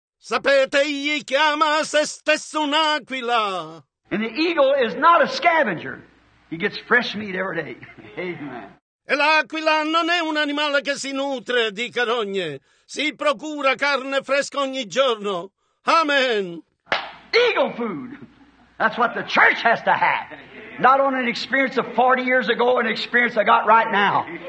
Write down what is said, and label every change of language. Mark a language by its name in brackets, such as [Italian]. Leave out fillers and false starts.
[Italian] Sapete, egli chiama se stesso un'aquila. [English] And the eagle is not a scavenger. He gets fresh meat every day. Amen. [Italian] E l'aquila non è un animale che si nutre di carogne. Si procura carne fresca ogni giorno. Amen. [English] Eagle food. That's what the church has to have. Not only an experience of 40 years ago, an experience I got right now.